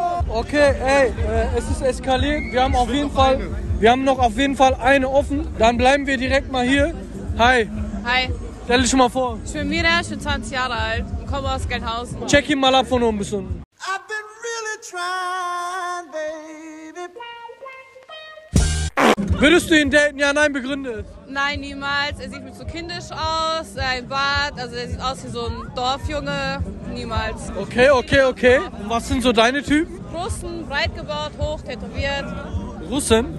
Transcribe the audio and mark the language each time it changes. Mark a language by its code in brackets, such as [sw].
[de] Okay, ey, es ist eskaliert. Wir haben auf jeden Fall, eine offen. Dann bleiben wir direkt mal hier. Hi. Hi. Stell dich mal vor. Ich bin Mira, ich bin 20 Jahre alt und komme aus Gelnhausen. Check ihn mal ab von oben bis unten. [en] I've been really trying, baby. [de] Würdest du ihn daten? Ja, nein, begründe es. Nein, niemals. Er sieht mir zu kindisch aus, sein Bart, also er sieht aus wie so ein Dorfjunge. Niemals. Okay. Und was sind so deine Typen? Russen, breit gebaut, hoch, tätowiert. Russen?